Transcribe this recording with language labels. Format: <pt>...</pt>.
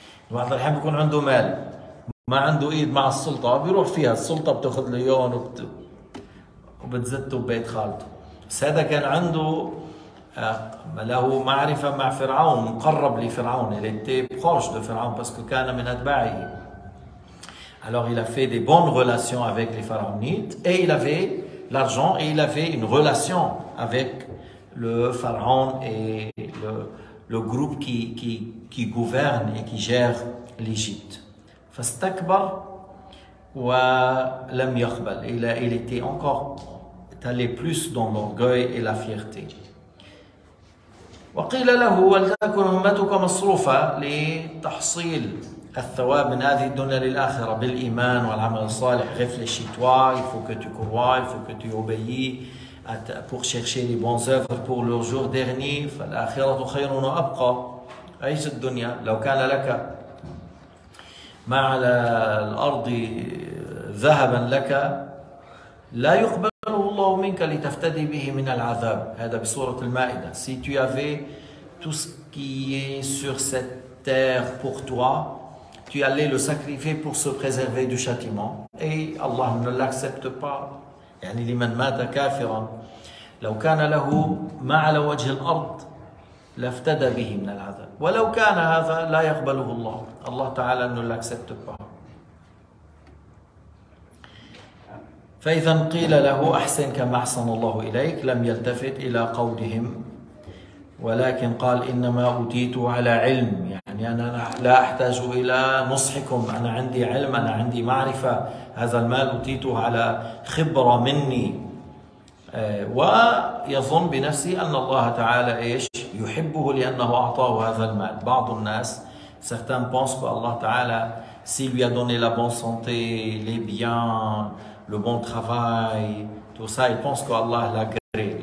<ar>بعض الأحيان بيكون عنده مال ما عنده إيد مع السلطة، بيروح فيها السلطة بتاخد ليون وبتزته ببيت خالته. بس هذا كان عنده له معرفة مع فرعون، مقرب لفرعون، اللي انت بخوش دو فرعون بس كان من أتباعه.</ar> <fr>Alors il a fait des bonnes relations avec les pharaonites et il avait l'argent et il avait une relation avec le pharaon et le groupe qui gouverne et qui gère l'Égypte.</fr> <ar>فاستكبر ولم يقبل.</ar> <fr>Il était encore allé plus dans l'orgueil et la fierté.</fr> <ar>وقيل له ولتكن همتك مصروفة لتحصيل الثواب من هذه الدنيا للآخرة بالإيمان والعمل الصالح.</ar> <fr>Réfléchis toi, il faut que tu crois, il faut que tu obéis pour chercher les bonnes œuvres pour le jour dernier.</fr> <ar>فالآخرة خير وأبقى. عيش الدنيا لو كان لك ما على الأرض ذهبا لك لا يقبله الله منك لتفتدي به من العذاب. هذا بسورة المائدة.</ar> <fr>Si tu avais tout ce qui est sur cette terre pour toi, tu allais le sacrifier pour se préserver du châtiment. Et Allah ne l'accepte pas.</fr> <ar>يعني لمن مات كافرا لو كان له ما على وجه الأرض لافتدى به من العذاب. ولو كان هذا لا يقبله الله. الله تعالى</ar> <fr>ne l'accepte pas.</fr> <ar>فإذا قيل له أحسن كما أحسن الله إليك لم يلتفت إلى قولهم ولكن قال إنما أوتيت على علم. يعني أنا لا أحتاج إلى نصحكم، أنا عندي علم، أنا عندي معرفة، هذا المال أوتيته على خبرة مني. ويظن بنفسي أن الله تعالى إيش يحبه لأنه أعطاه هذا المال. بعض الناس</ar> <fr>certains pensent que</fr> <ar>الله تعالى</ar> <fr>s'il lui a donné la bonne santé, les biens, le bon travail, tout ça, ils pensent que الله l'a créé.</fr>